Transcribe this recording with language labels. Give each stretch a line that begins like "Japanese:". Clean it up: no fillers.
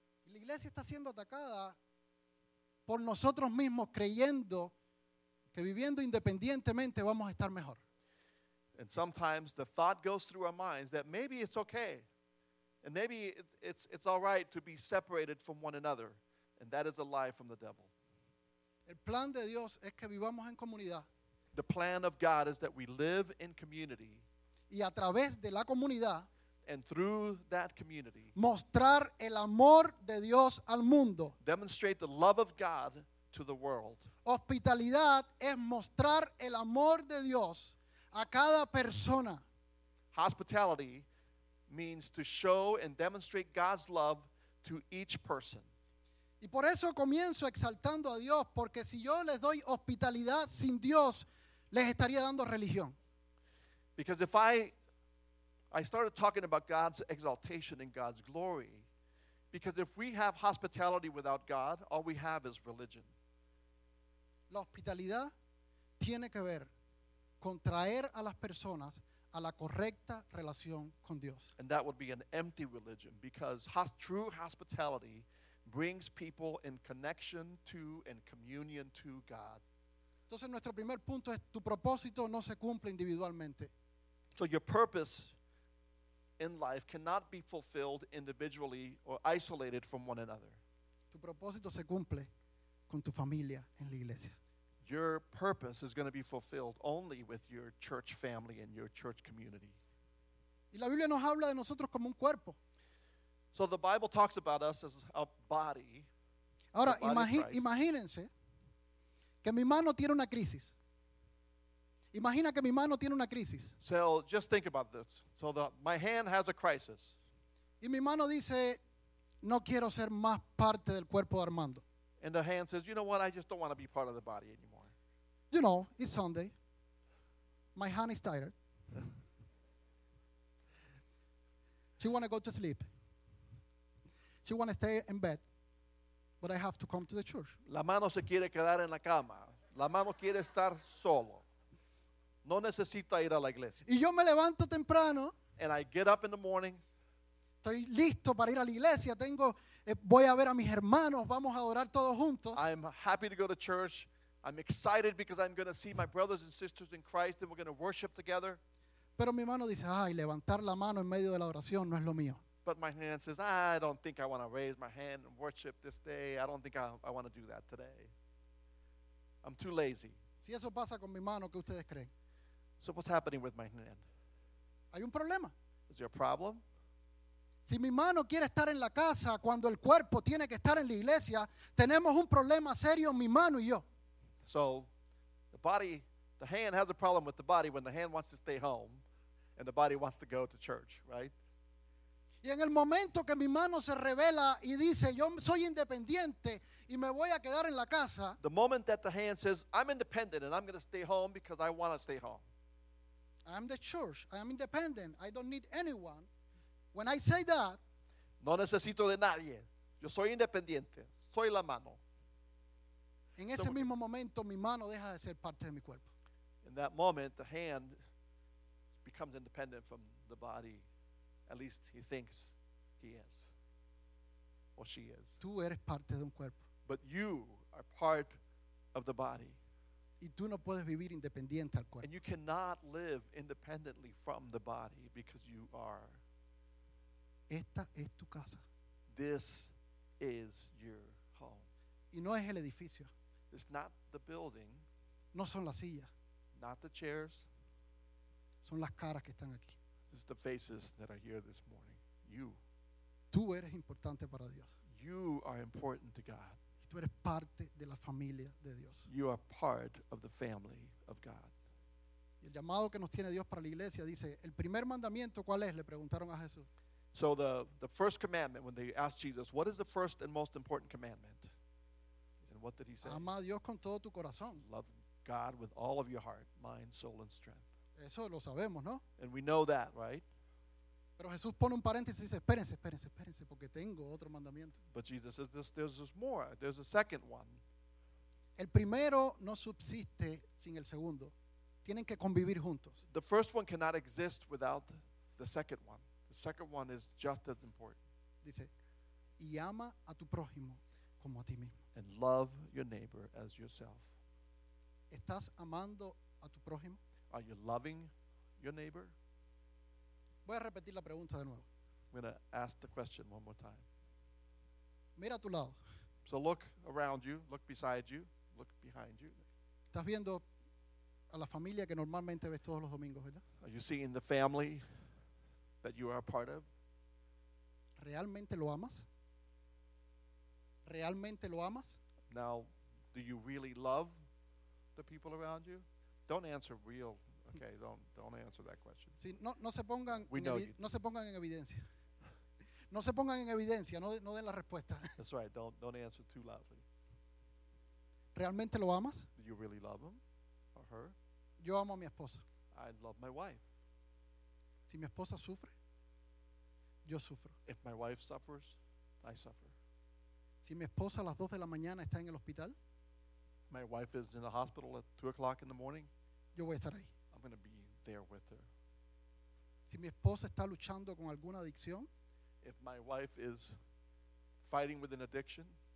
Spanish: La iglesia está siendo atacada por nosotros mismos creyendo que viviendo independientemente vamos a estar mejor.
English: And sometimes the thought goes through our minds that maybe it's okay. And maybe it's all right to be separated from one another. And that is a lie from the devil.
Spanish: El plan de Dios es que vivamos en comunidad.
English: The plan of God is that we live in community.
Spanish: Y a través de la comunidad,
English: and through that community,
Spanish: mostrar el amor de Dios al mundo.
English: Demonstrate the love of God to the world.
Spanish: Hospitalidad es mostrar el amor de Dios a cada persona.
English: Hospitality means to show and demonstrate God's love to each person.
Spanish: Y por eso comienzo exaltando a Dios, porque si yo les doy hospitalidad sin Dios, les estaría dando religión.
English: Because if I started talking about God's exaltation and God's glory, because if we have hospitality without God, all we have is religion.
Spanish: La hospitalidad tiene que ver con traer a las personas a la correcta relación con Dios.
English: And that would be an empty religion, because true hospitality brings people in connection to and communion to God.
Spanish: Entonces nuestro primer punto es, tu propósito no se cumple individualmente.
English: So your purpose in life cannot be fulfilled individually or isolated from one another.
Spanish: Tu propósito se cumple con tu familia en la iglesia.
English: Your purpose is going to be fulfilled only with your church family and your church community.
Spanish: Y la Biblia nos habla de nosotros como un cuerpo.
English: So the Bible talks about us as a body.
Spanish: Ahora, imagínense que mi mano tiene una crisis. Imagina que mi mano tiene una crisis.
English: So just think about this. So my hand has a crisis.
Spanish: Y mi mano dice, no quiero ser más parte del cuerpo de Armando.
English: And the hand says, you know what, I just don't want to be part of the body anymore. You know, it's Sunday. My hand is tired. She want to go to sleep. She want to stay in bed. But I have to come to the church.
Spanish: La mano se quiere quedar en la cama. La mano quiere estar solo. No necesita ir a la iglesia. Y yo me levanto temprano.
English: And I get up in the morning.
Spanish: Estoy listo para ir a la iglesia. Voy a ver a mis hermanos. Vamos a adorar todos juntos.
English: I'm happy to go to church. I'm excited because I'm going to see my brothers and sisters in Christ and we're going to worship together.
Spanish: Pero mi mano dice, ay, levantar la mano en medio de la oración no es lo mío.
English: But my hand says, I don't think I want to raise my hand and worship this day. I don't think I want to do that today. I'm too lazy.
Spanish: Si eso pasa con mi mano, ¿qué ustedes creen?
English: So what's happening with my hand?
Spanish: Hay un problema.
English: Is there a problem?
Spanish: Si mi mano quiere estar en la casa cuando el cuerpo tiene que estar en la iglesia, tenemos un problema serio mi mano y yo.
English: So the hand has a problem with the body when the hand wants to stay home and the body wants to go to church, right?
Spanish: Y en el momento que mi mano se revela y dice, yo soy independiente y me voy a quedar en la casa.
English: The moment that the hand says, I'm independent and I'm going to stay home because I want to stay home. I'm the church. I'm independent. I don't need anyone. When I say that,
Spanish: no necesito de nadie. Yo soy independiente. Soy la mano. En ese mismo momento, mi mano deja de ser parte de mi cuerpo.
English: In that moment, the hand becomes independent from the body. At least he thinks he is. Or she is.
Spanish: Tú eres parte de un cuerpo.
English: But you are part of the body.
Spanish: Y tú no puedes vivir independiente al cuerpo.
English: And you cannot live independently from the body because you are.
Spanish: Esta es tu casa.
English: This is your home.
Spanish: Y no es el edificio.
English: It's not the building.
Spanish: No son las sillas.
English: Not the chairs.
Spanish: Son las caras que están aquí.
English: It's the faces that are here this morning. You.
Spanish: Tú eres importante para Dios.
English: You are important to God.
Spanish: Tú eres parte de la familia de Dios.
English: You are part of the family of God.
Spanish: Y el llamado que nos tiene Dios para la iglesia dice, el primer mandamiento, ¿cuál es? Le preguntaron a Jesús.
English: So the first commandment, when they asked Jesus, what is the first and most important commandment? And what did he say?
Spanish: Ama a Dios con todo tu corazón.
English: Love God with all of your heart, mind, soul, and strength.
Spanish: Eso lo sabemos, ¿no?
English: And we know that, right?
Spanish: Pero Jesús pone un paréntesis y dice, espérense, espérense, espérense, porque tengo otro mandamiento.
English: But Jesus says, there's more, there's a second one.
Spanish: El primero no subsiste sin el segundo. Tienen que convivir juntos.
English: The first one cannot exist without the second one. The second one is just as important.
Spanish: Dice, y ama a tu prójimo como a ti mismo.
English: And love your neighbor as yourself.
Spanish: ¿Estás amando a tu prójimo?
English: Are you loving your neighbor?
Spanish: Voy a repetir la pregunta de nuevo.
English: I'm going to ask the question one more time.
Spanish: Mira a tu lado.
English: So look around you, look beside you, look behind you.
Spanish: ¿Estás viendo a la familia que normalmente ves todos los domingos, verdad?
English: Are you seeing the family that you are a part of?
Spanish: ¿Realmente lo amas? ¿Realmente lo amas?
English: Now, do you really love the people around you? Don't answer real. Okay, don't answer that question.
Spanish: Sí, no se pongan en evidencia. No se pongan en evidencia, no den la respuesta.
English: That's right. Don't answer too loudly.
Spanish: ¿Realmente lo amas?
English: Do you really love him or her?
Spanish: Yo amo a mi esposa.
English: I love my wife.
Spanish: Si mi esposa sufre, yo sufro.
English: If my wife suffers, I suffer.
Spanish: Si mi esposa a las 2 de la mañana está en el hospital,
English: my wife is in the hospital at 2:00 in the morning.
Spanish: Yo voy a estar ahí.
English: I'm going to be there with her.
Spanish: Si mi esposa está luchando con alguna adicción,
English: if my wife is fighting with an addiction,